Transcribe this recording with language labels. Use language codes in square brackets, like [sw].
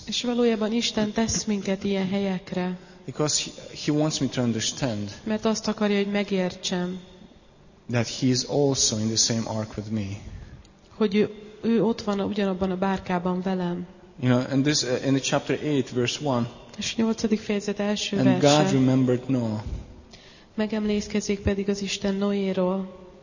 [hu] És valójában Isten tesz minket ilyen helyekre. [en] Because he wants me to understand. [hu] Mert azt akarja, hogy megértsem. [en] That he is also in the same ark with me. [hu] Hogy ő ott van ugyanabban a bárkában velem. [en] You know, and this in the chapter 8 verse 1. [hu] És 8. fejezet első verse. [en] And God remembered Noah. [hu] Megemlékezik pedig az Isten Noéról.